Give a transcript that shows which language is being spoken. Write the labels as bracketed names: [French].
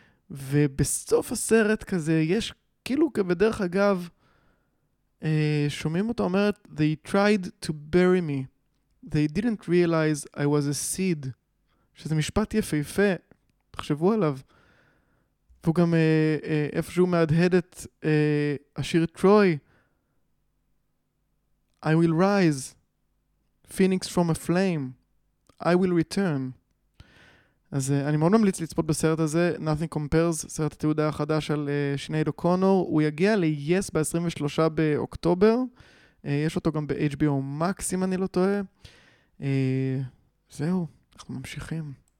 [Hebrew] ובסוף הסרט כזה יש כאילו כבדרך אגב שומעים אותה אומרת [English] They tried to bury me, they didn't realize I was a seed, [Hebrew] שזה משפט יפהפה, תחשבו עליו. והוא גם איפשהו מהדהד את השיר טרוי, [English] I will rise, phoenix from a flame, I will return. [Hebrew] אז אני מאוד ממליץ לצפות בסרט הזה, Nothing Compares, סרט התעודה החדש על שנייד אוקונור, הוא יגיע ל-YES ב-23 באוקטובר, יש אותו גם ב-HBO Max, אם אני לא טועה. זהו, אנחנו ממשיכים.